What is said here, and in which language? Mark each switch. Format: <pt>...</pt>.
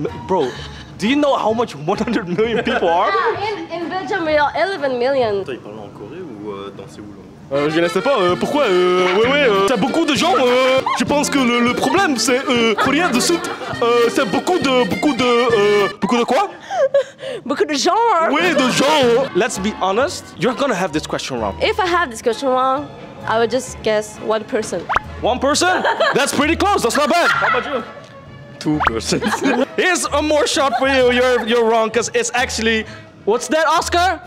<en>Bro, do you know how much 100 million people are? Yeah, in Belgium we are 11 million.</en> <fr>Je ne sais pas, pourquoi t'as beaucoup de gens, je pense que le problème c'est Corée du Sud, c'est beaucoup de quoi? Beaucoup de gens. Oui, de gens.</fr> <en>Let's be honest, you're gonna have this question wrong. If I have this question wrong, I would just guess one person. One person? That's pretty close, that's not bad. How about you? Two persons. Here's a more shot for you, you're wrong, because it's actually, what's that, Oscar?</en>